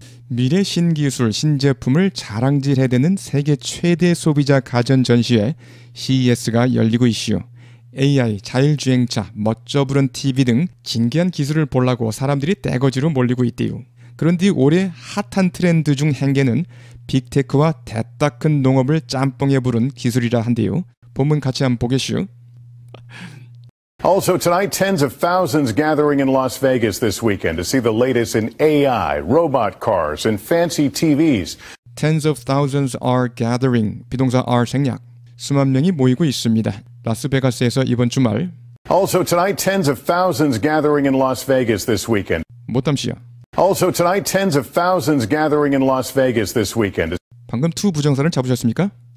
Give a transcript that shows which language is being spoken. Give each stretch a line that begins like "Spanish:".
Korean: 미래 신기술 신제품을 자랑질해대는 세계 최대 소비자 가전전시회 CES가 열리고 있슈. AI, 자율주행차, 멋져 부른 TV 등 진기한 기술을 보려고 사람들이 대거지로 몰리고 있대요. 그런데 올해 핫한 트렌드 중 한 개는 빅테크와 대따 큰 농업을 짬뽕에 부른 기술이라 한대요. 본문 같이 한번 보겠슈.
English: Also tonight, tens of thousands gathering in Las Vegas this weekend to see the latest in AI, robot cars, and fancy TVs. Tens of thousands are gathering. 비동사 are 생략.
Korean: 수만 명이 모이고 있습니다. 라스베가스에서 이번 주말.
English: Also tonight, tens of thousands gathering in Las Vegas this weekend. 못담시야. Also tonight, tens of thousands gathering in Las Vegas this weekend.
Korean: 방금 to 부정사를 잡으셨습니까?